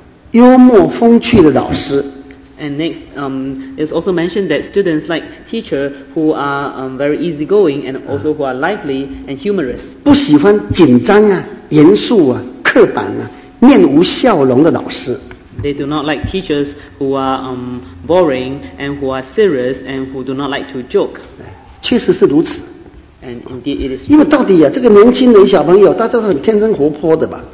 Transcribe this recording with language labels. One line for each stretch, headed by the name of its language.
Chinese: 还有，他说学生啊很喜欢轻松愉快、幽默风趣的老师。
English: And next, it's also mentioned that students like teacher who are very easygoing and also who are lively and humorous.
Chinese: 不喜欢紧张啊,严肃啊,刻板啊,面无笑容的老师。
English: They do not like teachers who are boring and who are serious and who do not like to joke.
Chinese: 确实是如此。
English: And indeed it is true.
Chinese: 因为到底啊,这个年轻人小朋友,大家都很天真活泼的吧。